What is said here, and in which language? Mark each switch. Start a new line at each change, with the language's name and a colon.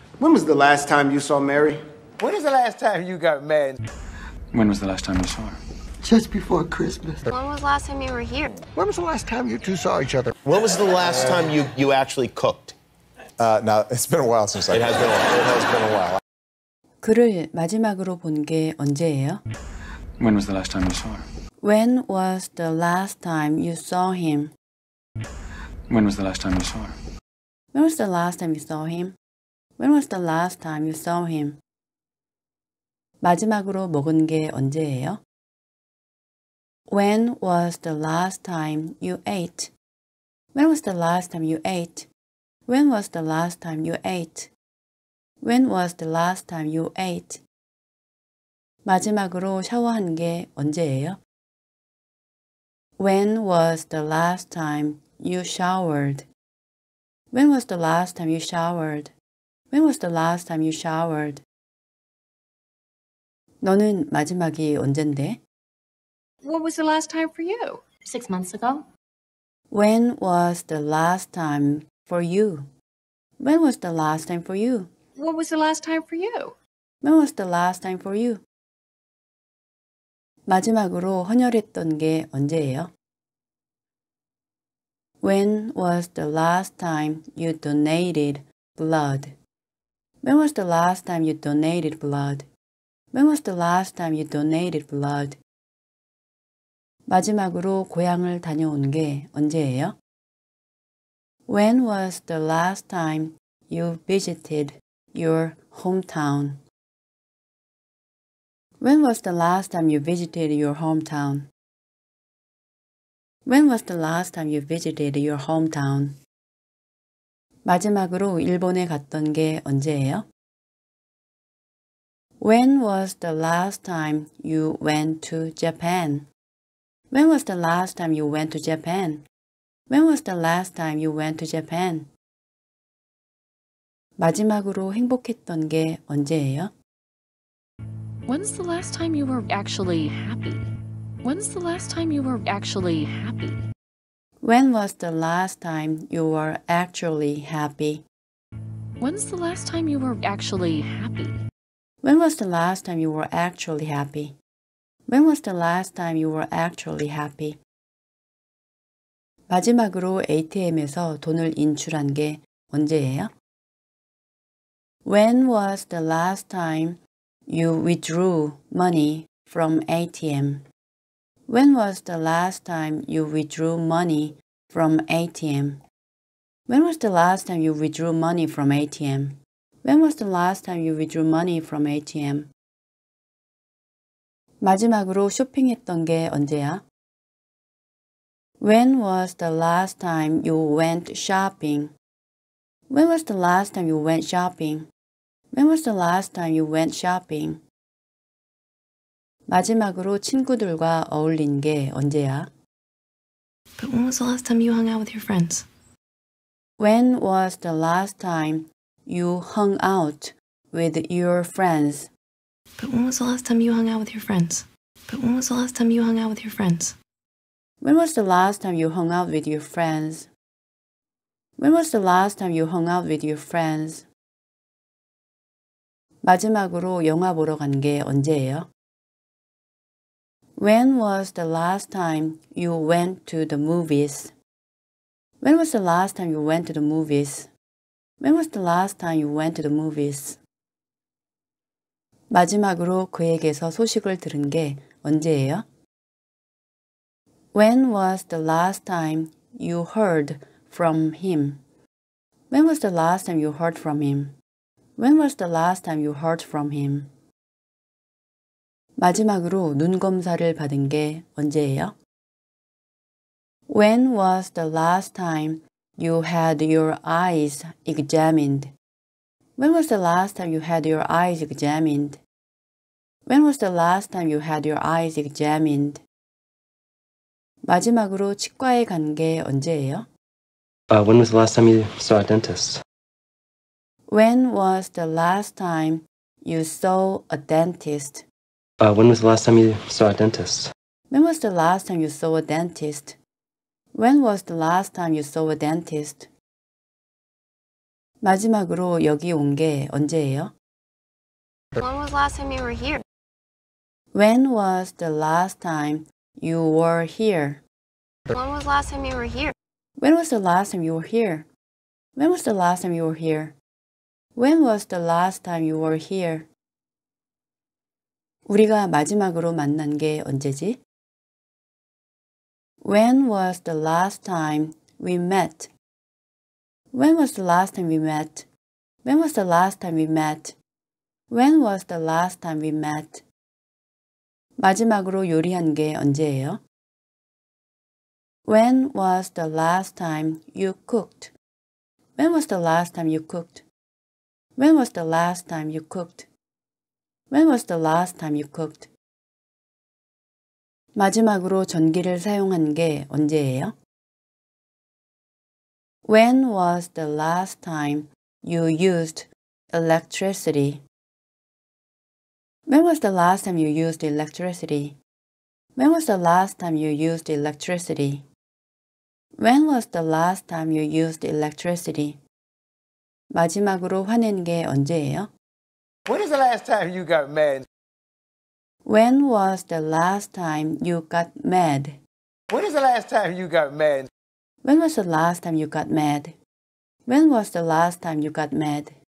English: When was the last time you saw Mary? When was the last time you got mad? When was the last time you saw her? Just before Christmas. When was the last time you were here? When was the last time you two saw each other? When was the last time you actually cooked? Now, it's been a while since I It has been a while. It has been a while.
Korean: 그를 마지막으로 본 게 언제예요?
English: When was the last time you saw her? When was the last time you saw him? When was the last time you saw her? When was the last time you saw him? When was the last time you saw him?
Korean: 마지막으로 먹은 게 언제예요?
English: When was the last time you ate? When was the last time you ate? When was the last time you ate? When was the last time you ate?
Korean: 마지막으로 샤워한 게 언제예요?
English: When was the last time you showered? When was the last time you showered? When was the last time you showered?
Korean: 너는 마지막이 언젠데?
English: What was the last time for you? 6 months ago. When was the last time for you? When was the last time for you? What was the last time for you? When was the last time for you?
Korean: 마지막으로 헌혈했던 게 언제예요?
English: When was the last time you donated blood? When was the last time you donated blood? When was the last time you donated blood?
Korean: 마지막으로 고향을 다녀온 게 언제예요?
English: When was the last time you visited your hometown? When was the last time you visited your hometown? When was the last time you visited your hometown?
Korean: 마지막으로 일본에 갔던 게 언제예요?
English: When was the last time you went to Japan? When was the last time you went to Japan? When was the last time you went to Japan?
Korean: 마지막으로 행복했던 게 언제예요?
English: When's the last time you were actually happy? When's the last time you were actually happy? When was the last time you were actually happy? When's the last time you were actually happy? When was the last time you were actually happy? When was the last time you were actually happy?
Korean: 마지막으로 ATM에서 돈을 인출한 게 언제예요?
English: When was the last time you withdrew money from ATM? When was the last time you withdrew money from ATM? When was the last time you withdrew money from ATM? When was the last time you withdrew money from ATM?
Korean: 마지막으로 쇼핑했던 게 언제야?
English: When was the last time you went shopping? When was the last time you went shopping? When was the last time you went shopping?
Korean: 마지막으로 친구들과 어울린 게 언제야?
English: But when was the last time you hung out with your friends? When was the last time you hung out with your friends? But when was the last time you hung out with your friends? But when was the last time you hung out with your friends? When was the last time you hung out with your friends? When was the last time you hung out with your friends?
Korean: 마지막으로 영화 보러 간 게 언제예요?
English: When was the last time you went to the movies? When was the last time you went to the movies? When was the last time you went to the movies?
Korean: 마지막으로 그에게서 소식을 들은 게 언제예요?
English: When was the last time you heard from him? When was the last time you heard from him? When was the last time you heard from him?
Korean: 마지막으로 눈 검사를 받은 게 언제예요?
English: When was the last time you had your eyes examined? When was the last time you had your eyes examined? When was the last time you had your eyes examined?
Korean: 마지막으로 치과에 간 게 언제예요?
English: When was the last time you saw a dentist? When was the last time you saw a dentist? When was the last time you saw a dentist? When was the last time you saw a dentist? When was the last time you saw a dentist?
Korean: 마지막으로 여기 온 게 언제예요?
English: When was the last time you were here? When was the last time you were here? When was the last time you were here? When was the last time you were here? When was the last time you were here? When was the last time you were here?
Korean: 우리가 마지막으로 만난 게 언제지?
English: When was the last time we met? When was the last time we met? When was the last time we met? When was the last time we met?
Korean: 마지막으로 요리한 게 언제예요?
English: When was the last time you cooked? When was the last time you cooked? When was the last time you cooked? When was the last time you cooked?
Korean: 마지막으로 전기를 사용한 게 언제예요?
English: When was the last time you used electricity? When was the last time you used electricity? When was the last time you used electricity? When was the last time you used electricity?
Korean: 마지막으로 화낸 게 언제예요?
English: When is the last time you got mad? When was the last time you got mad? When is the last time you got mad? When was the last time you got mad? When was the last time you got mad?